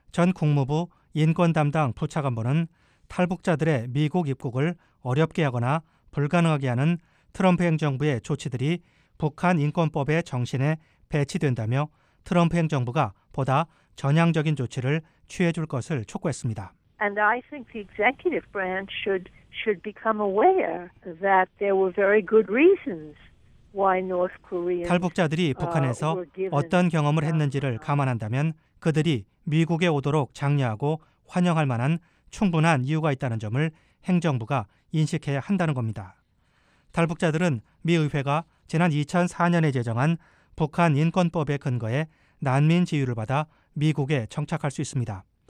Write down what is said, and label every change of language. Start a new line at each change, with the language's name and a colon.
Korean: 전 국무부 인권 담당 부차관보는 탈북자들의 미국 입국을 어렵게 하거나 불가능하게 하는 트럼프 행정부의 조치들이 북한 인권법의 정신에 배치된다며 트럼프 행정부가 보다 전향적인 조치를 취해줄 것을 촉구했습니다.
English: And I think the executive branch should become aware that there were very good reasons why North Koreans
Korean: 탈북자들이 북한에서 어떤 경험을 했는지를 감안한다면 그들이 미국에 오도록 장려하고 환영할 만한 충분한 이유가 있다는 점을 행정부가 인식해야 한다는 겁니다. 탈북자들은 미 의회가 지난 2004년에 제정한 북한 인권법의 근거에 난민 지위를 받아 미국에 정착할 수 있습니다.